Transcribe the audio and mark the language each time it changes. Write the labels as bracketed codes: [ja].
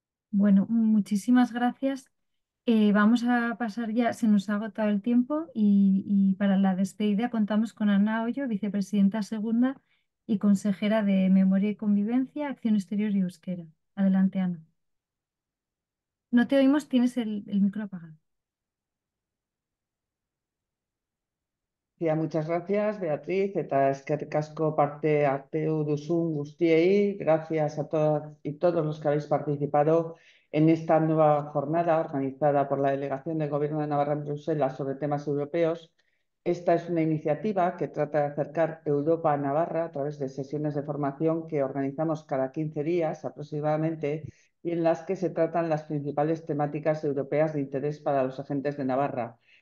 [es] Bueno, muchísimas gracias. Vamos a pasar ya, se nos ha agotado el tiempo y para la despedida contamos con Ana Hoyo, vicepresidenta segunda y consejera de Memoria y Convivencia, Acción Exterior y Euskera. Adelante, Ana. No te oímos, tienes el micro apagado. Ya, muchas gracias, Beatriz. [eu] Eta eskerrik asko parte hartu duzun guztiei. [es] Gracias a todas y todos los que habéis participado en esta nueva jornada organizada por la Delegación del Gobierno de Navarra en Bruselas sobre temas europeos. Esta es una iniciativa que trata de acercar Europa a Navarra a través de sesiones de formación que organizamos cada 15 días aproximadamente y en las que se tratan las principales temáticas europeas de interés para los agentes de Navarra.